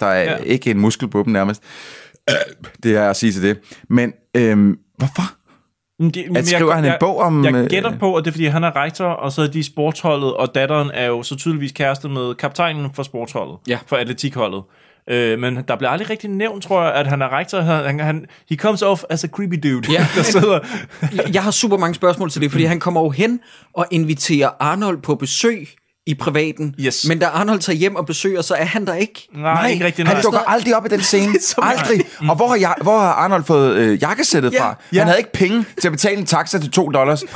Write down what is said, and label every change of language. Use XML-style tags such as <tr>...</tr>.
<da>Der er ikke en muskel på dem nærmest. Det er at sige til det. Men hvorfor? Skriver han en bog om... Jeg gætter på, at det er, fordi han er rektor, og så er de sportsholdet, og datteren er jo så tydeligvis kæreste med kaptajnen for sportsholdet, ja. For atletikholdet. Men der bliver aldrig rigtig nævnt, tror jeg, at han er rektor.</da> <en>Han he comes off as a creepy dude, ja.</en> <da>Der sidder... jeg har super mange spørgsmål til det, fordi han kommer jo hen og inviterer Arnold på besøg i privaten, yes. Men da Arnold tager hjem og besøger, så er han der ikke. Nej, ikke rigtig, nej. Han dukker aldrig op i den scene. Aldrig. Og hvor har Arnold fået jakkesættet fra? Ja. Han havde ikke penge til at betale en taxa til $2, præcis.</da>